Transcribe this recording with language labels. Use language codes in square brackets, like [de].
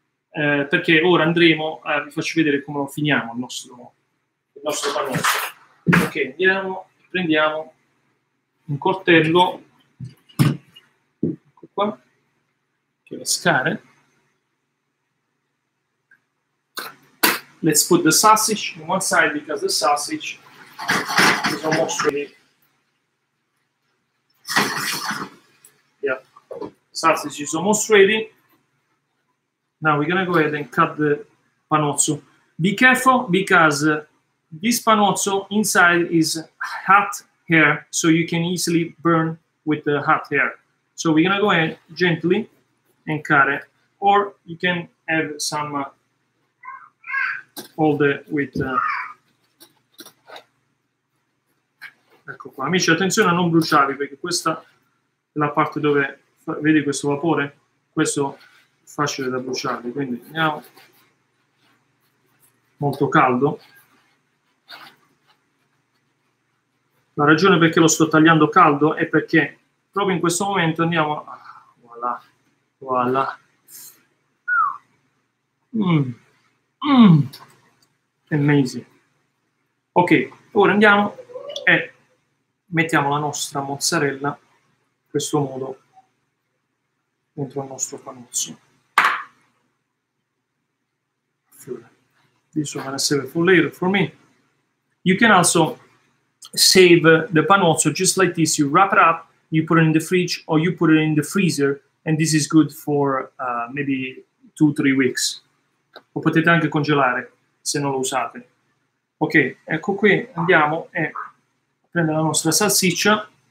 [it] Perché ora andremo, vi faccio vedere come lo finiamo il nostro panuozzo. Ok, andiamo, prendiamo un coltello, ecco qua, che pescare. [en] Let's put the sausage on one side because the sausage is almost ready. Yeah, sausage is almost ready. Now we're gonna go ahead and cut the panuozzo. Be careful because this panuozzo inside is hot air, so you can easily burn with the hot air. So we're gonna go ahead gently and cut it, or you can have some hold it with. [it] Ecco qua, amici, attenzione a non bruciarvi perché questa è la parte dove vedi questo vapore, questo. Facile da bruciarli, quindi andiamo. Molto caldo. La ragione perché lo sto tagliando caldo è perché proprio in questo momento andiamo a... voilà, voilà. [en] Amazing. [it] Ok, ora andiamo e mettiamo la nostra mozzarella in questo modo dentro il nostro panuozzo. [en] This one is save it for later for me. You can also save the panuozzo just like this. You wrap it up, you put it in the fridge, or you put it in the freezer, and this is good for maybe 2-3 weeks. [it] O potete anche congelare se non lo usate. Ok, ecco qui, andiamo e prendo la nostra salsiccia.